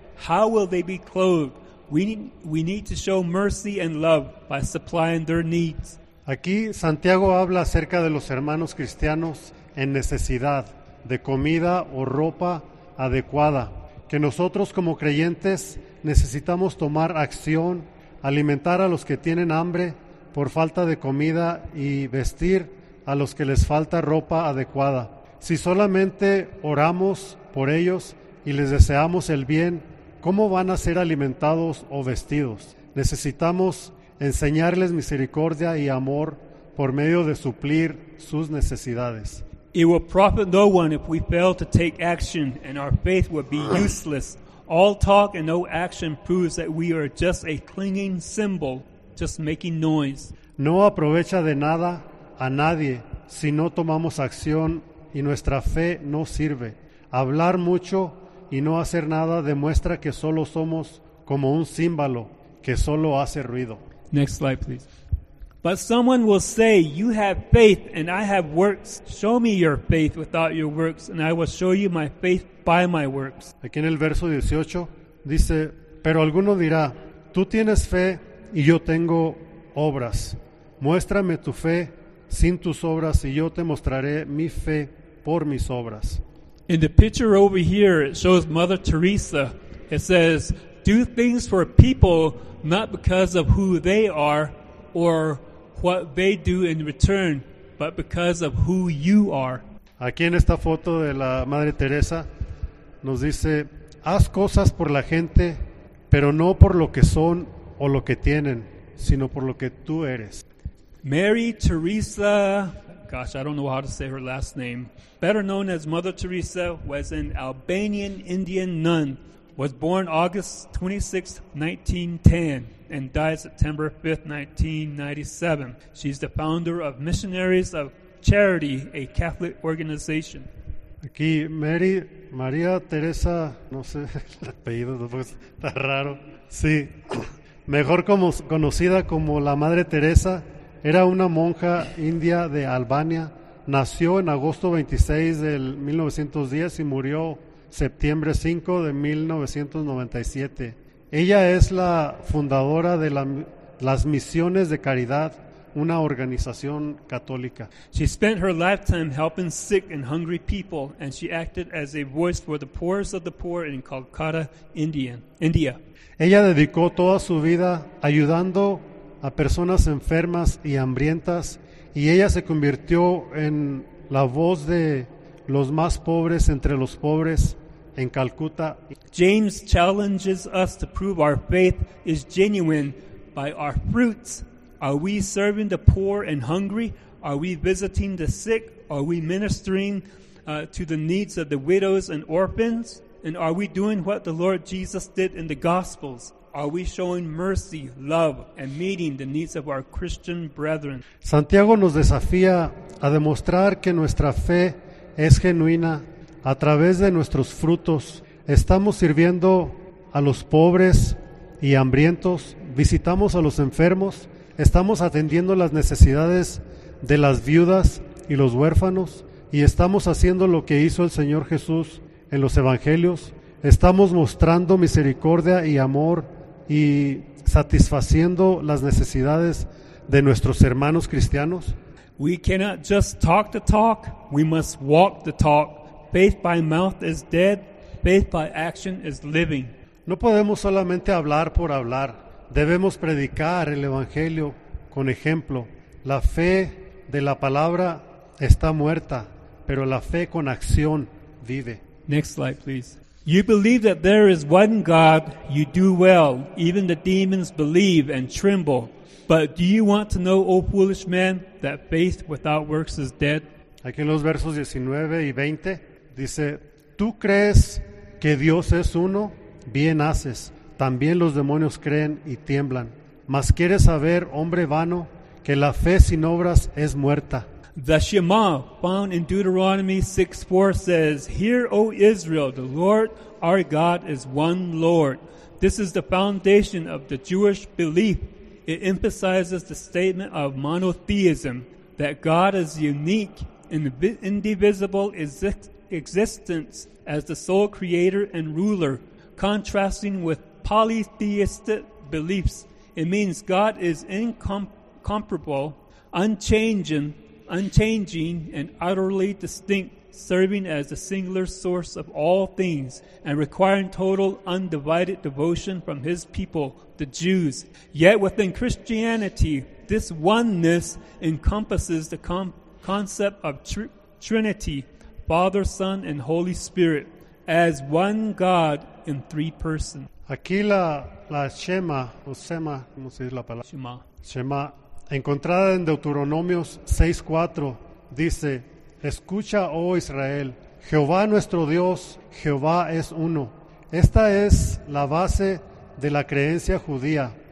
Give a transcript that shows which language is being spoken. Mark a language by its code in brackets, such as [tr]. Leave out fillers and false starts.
[en] How will they be clothed? We need to show mercy and love by supplying their needs. [es] Aquí Santiago habla acerca de los hermanos cristianos en necesidad de comida o ropa adecuada, que nosotros como creyentes necesitamos tomar acción, alimentar a los que tienen hambre por falta de comida y vestir a los que les falta ropa adecuada. Si solamente oramos por ellos y les deseamos el bien, ¿cómo van a ser alimentados o vestidos? Necesitamos enseñarles misericordia y amor por medio de suplir sus necesidades. [en] It will profit no one if we fail to take action, and our faith will be useless. All talk and no action proves that we are just a clinging cymbal, just making noise. [es] No aprovecha de nada a nadie si no tomamos acción y nuestra fe no sirve. Hablar mucho y no hacer nada demuestra que solo somos como un címbalo que solo hace ruido. [en] Next slide, please. But someone will say, you have faith and I have works. Show me your faith without your works, and I will show you my faith by my works. [es] Aquí en el verso 18 dice, pero alguno dirá, tú tienes fe y yo tengo obras. Muéstrame tu fe sin tus obras y yo te mostraré mi fe por mis obras. [en] In the picture over here, it shows Mother Teresa. It says, do things for people, not because of who they are or what they do in return, but because of who you are. [es] Aquí en esta foto de la Madre Teresa nos dice, haz cosas por la gente, pero no por lo que son o lo que tienen, sino por lo que tú eres. [en] Mary Teresa, gosh, I don't know how to say her last name, better known as Mother Teresa, was an Albanian Indian nun, was born August 26, 1910, and died September 5, 1997. She's the founder of Missionaries of Charity, a Catholic organization. [es] Aquí, Mary, María Teresa, no sé el apellido, está raro. Sí, mejor como, conocida como la Madre Teresa, era una monja india de Albania. Nació en agosto 26 del 1910 y murió septiembre 5 de 1997. Ella es la fundadora de las Misiones de Caridad, una organización católica. [en] She spent her lifetime helping sick and hungry people, and she acted as a voice for the poorest of the poor in Calcutta, India. [es] Ella dedicó toda su vida ayudando a personas enfermas y hambrientas, y ella se convirtió en la voz de los más pobres entre los pobres en Calcuta. [en] James challenges us to prove our faith is genuine by our fruits. Are we serving the poor and hungry? Are we visiting the sick? Are we ministering to the needs of the widows and orphans? And are we doing what the Lord Jesus did in the Gospels? Are we showing mercy, love, and meeting the needs of our Christian brethren? [es] Santiago nos desafía a demostrar que nuestra fe es genuina a través de nuestros frutos. Estamos sirviendo a los pobres y hambrientos, visitamos a los enfermos, estamos atendiendo las necesidades de las viudas y los huérfanos, y estamos haciendo lo que hizo el Señor Jesús en los evangelios. Estamos mostrando misericordia y amor y satisfaciendo las necesidades de nuestros hermanos cristianos. [en] We cannot just talk the talk, we must walk the talk. Faith by mouth is dead, faith by action is living. [es] No podemos solamente hablar por hablar, debemos predicar el evangelio con ejemplo. La fe de la palabra está muerta, pero la fe con acción vive. [en] Next slide, please. You believe that there is one God, you do well. Even the demons believe and tremble. But do you want to know, O foolish man, that faith without works is dead? [es] Aquí en los versos 19 y 20 dice, ¿tú crees que Dios es uno? Bien haces. También los demonios creen y tiemblan. Mas quieres saber, hombre vano, que la fe sin obras es muerta. [en] The Shema, found in Deuteronomy 6:4, says, Hear, O Israel, the Lord our God is one Lord. This is the foundation of the Jewish belief. It emphasizes the statement of monotheism, that God is unique in indivisible existence as the sole creator and ruler, contrasting with polytheistic beliefs. It means God is incomparable, unchanging, and utterly distinct, serving as the singular source of all things and requiring total undivided devotion from his people, the Jews. Yet within Christianity, this oneness encompasses the concept of Trinity, Father, Son, and Holy Spirit, as one God in three persons. [es] Aquí la Shema, o Sema, ¿cómo se dice la palabra? Shema. Shema, encontrada en Deuteronomios 6:4, dice: Escucha, oh Israel, Jehová nuestro Dios, Jehová es uno. Esta es la base de la creencia judía.